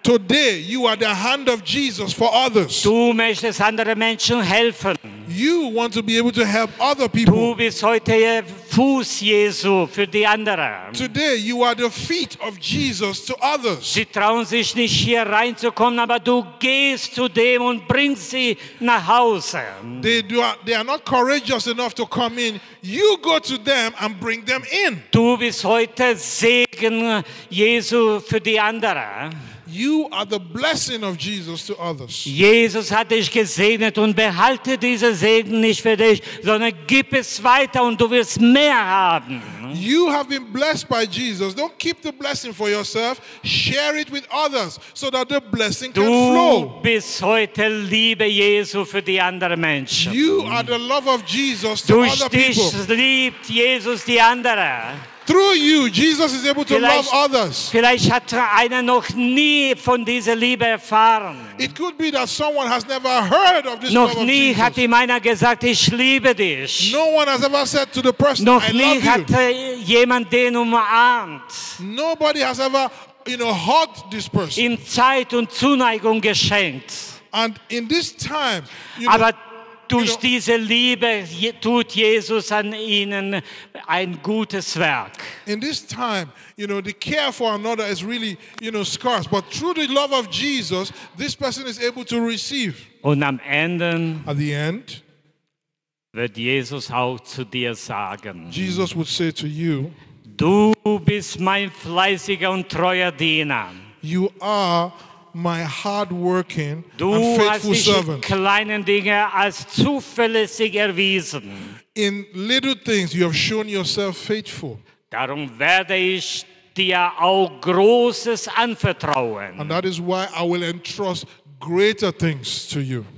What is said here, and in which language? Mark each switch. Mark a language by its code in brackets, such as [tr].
[en] Today, you are the hand of Jesus for others. [de] Du möchtest anderen Menschen helfen. [en] You want to be able to help other people. [de] Du bist heute Fuß Jesu für die anderen. [en] Today, you are the feet of Jesus to others. [de] Sie trauen sich nicht hier reinzukommen, aber du gehst zu dem und bring sie nach Hause. [en] They are not courageous enough to come in. You go to them and bring them in. [de] Du bist heute Segen Jesu für die anderen. [en] You are the blessing of Jesus to others. [de] Jesus hat dich gesegnet und behalte diesen Segen nicht für dich, sondern gib es weiter und du wirst mehr haben. [en] You have been blessed by Jesus. Don't keep the blessing for yourself. Share it with others so that the blessing [de] du [en] can flow. [de] Bist heute Liebe Jesu für die anderen Menschen. [en] You are the love of Jesus to [de] durch [en] other people. [de] Durch dich liebt Jesus die anderen. [en] Through you, Jesus is able to love others. [de] Vielleicht hat einer noch nie von dieser Liebe erfahren. [en] It could be that someone has never heard of this love. [de] Noch nie hat ihm einer gesagt, ich liebe dich. [en] No one has ever said to the person, [de] noch [en] I love you. [de] Noch nie hat jemand den umarmt. [en] Nobody has ever, you know, hugged this person. [de] Ihm Zeit und Zuneigung geschenkt. [en] And in this time, you know, [de] durch diese Liebe tut Jesus an ihnen ein gutes Werk. [en] In this time, you know, the care for another is really, you know, scarce. But through the love of Jesus, this person is able to receive. [de] Und am Ende, [en] at the end, [de] wird Jesus auch zu dir sagen. [en] Jesus would say to you, [de] du bist mein fleißiger und treuer Diener. [en] You are my hard-working [de] du [en] and faithful servant. [de] Du hast dich in kleinen Dingen als zuverlässig erwiesen. [en] In little things you have shown yourself faithful. [de] Darum werde ich dir auch Großes anvertrauen. [en] And that is why I will entrust greater things to you.